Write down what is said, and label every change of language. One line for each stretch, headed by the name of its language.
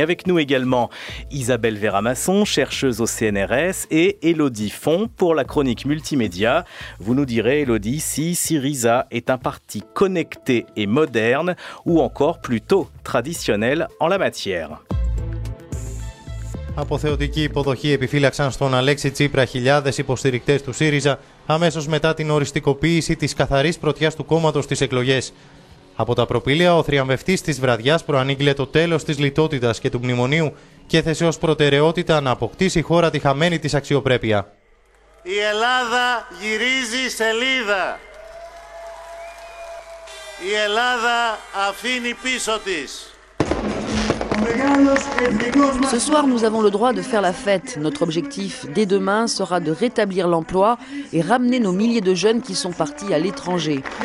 French: Avec nous également Isabelle Véramasson, chercheuse au CNRS, et Élodie Font pour la chronique multimédia. Vous nous direz, Élodie, si Syriza est un parti connecté et moderne, ou encore plutôt traditionnel en la matière.
Greek: Αποθεωτική υποδοχή επιφύλαξαν στον Αλέξη Τσίπρα χιλιάδες υποστηρικτές του ΣΥΡΙΖΑ αμέσως μετά την οριστικοποίηση της καθαρής πρωτιάς του κόμματος στις εκλογές. Από τα προπήλαια, ο θριαμβευτής της βραδιάς προανήγγειλε το τέλος της λιτότητας και του μνημονίου και έθεσε ως προτεραιότητα να αποκτήσει η χώρα τη χαμένη της αξιοπρέπεια. Η Ελλάδα γυρίζει σελίδα. Η Ελλάδα αφήνει πίσω της.
French: Ce soir, nous avons le droit de faire la fête. Notre objectif, dès demain, sera de rétablir l'emploi et ramener nos milliers de jeunes qui sont partis à l'étranger.